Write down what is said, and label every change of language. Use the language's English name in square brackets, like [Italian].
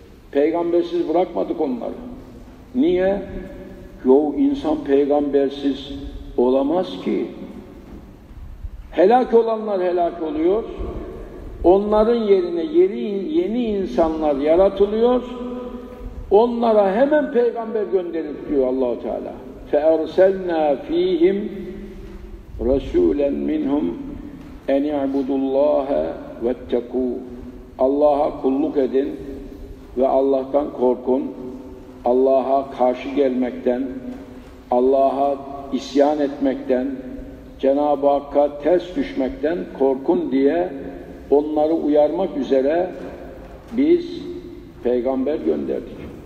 [Turkish] Peygambersiz bırakmadık onları. Niye? Yok, insan peygambersiz olamaz ki. Helak olanlar helak oluyor. Onların yerine yeni insanlar yaratılıyor. Onlara hemen peygamber gönderip diyor Allah-u Teala. [Arabic] فَاَرْسَلْنَا ف۪يهِمْ رَسُولًا مِنْهُمْ اَنْ اِعْبُدُ اللّٰهَ وَاتَّقُوا [Turkish] Allah'a kulluk edin ve Allah'tan korkun. Allah'a karşı gelmekten, Allah'a isyan etmekten, Cenab-ı Hakk'a ters düşmekten korkun diye onları uyarmak üzere biz peygamber gönderdik.